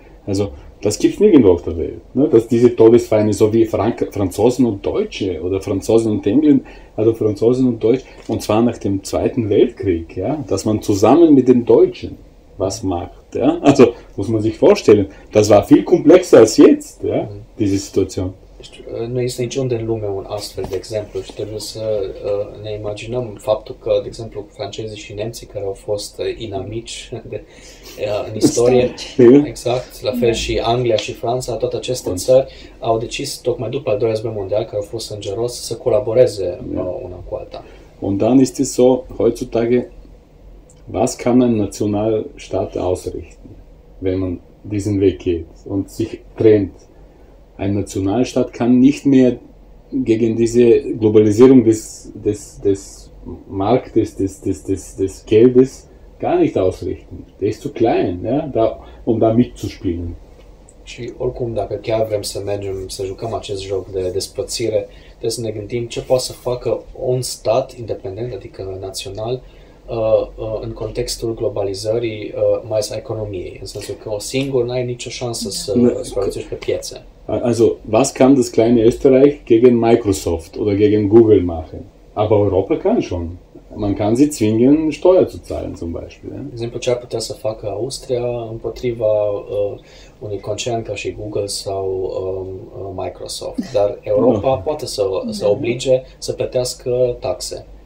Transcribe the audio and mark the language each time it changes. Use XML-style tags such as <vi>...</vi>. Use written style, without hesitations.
<de>Also das gibt es nirgendwo auf der Welt. Ne? Dass diese Todesfeinde, so wie Franzosen und Deutsche oder Franzosen und Engländer, also Franzosen und Deutsche, und zwar nach dem Zweiten Weltkrieg, ja, dass man zusammen mit den Deutschen was macht. Ja? Also muss man sich vorstellen, das war viel komplexer als jetzt, ja, diese Situation.</de> <ro>Nu este niciunde în lume un astfel de exemplu și trebuie să ne imaginăm faptul că, de exemplu, francezii și nemții care au fost inamici de, în istorie, exact, la fel și Anglia și Franța, toate aceste țări au decis, tocmai după al doilea război mondial, care au fost sângeros, să colaboreze una cu alta.</ro> <de>Und dann ist es so, heutzutage, was kann ein Nationalstaat ausrichten, wenn man diesen Weg geht und sich trennt? Ein Nationalstaat kann nicht mehr gegen diese Globalisierung des Marktes, des Geldes gar nicht ausrichten. Der ist zu klein, ja, da, um da mitzuspielen.</de> <ro>Și oricum, dacă chiar vrem să mergem, să jucăm acest joc de despărțire, trebuie să ne gândim ce poate să facă un stat independent, adică național, în contextul globalizării, mai ales a economiei, în sensul că o singur n-ai nicio șansă să supraviețuiești pe piețe.</ro> <de>Also, was kann das kleine Österreich gegen Microsoft oder gegen Google machen? Aber Europa kann schon. Man kann sie zwingen, Steuer zu zahlen, zum Beispiel.</de> <ro>Exemplu, ce ar putea să facă Austria împotriva unui concern ca și Google sau Microsoft? Dar Europa poate să oblige să plătească taxe.</ro>